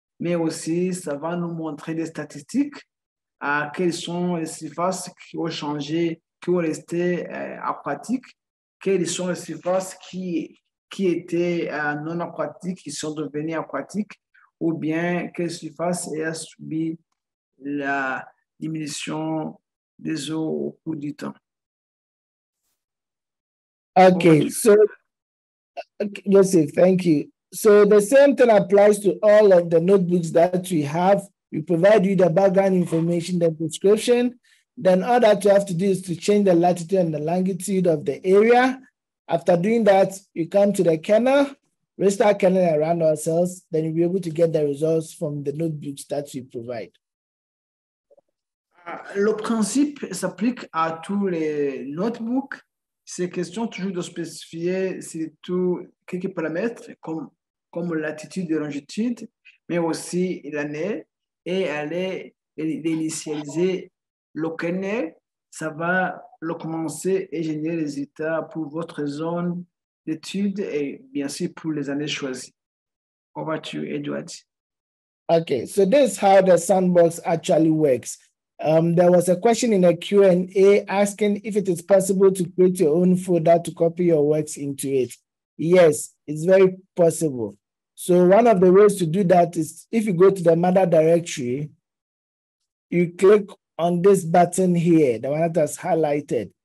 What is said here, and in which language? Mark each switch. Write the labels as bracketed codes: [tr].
[fr] Mais aussi, ça va nous montrer des statistiques à quelles sont les surfaces qui ont changé, qui ont resté aquatiques. quels sont les surfaces qui étaient non aquatiques, qui sont devenues aquatiques, ou bien quelles surfaces ont subi la diminution des eaux au cours du temps. [en] Okay, so, Joseph, thank you. So the same thing applies to all of the notebooks that we have. We provide you the background information, the description. Then all that you have to do is to change the latitude and the longitude of the area. After doing that, you come to the kernel, restart kernel around ourselves, then you'll be able to get the results from the notebooks that we provide. [fr] Le principe s'applique à tous les notebooks. C'est question toujours de spécifier surtout quelques paramètres comme latitude et longitude, mais aussi l'année, et aller l'initialiser le kernel. Ça va le commencer et générer les résultats pour votre zone d'étude et bien sûr pour les années choisies. [en] Over to you, Edward. OK, so this is how the sandbox actually works. There was a question in a Q&A asking if it is possible to create your own folder to copy your works into it. Yes, it's very possible. So one of the ways to do that is if you go to the mother directory, you click on this button here, the one that has highlighted.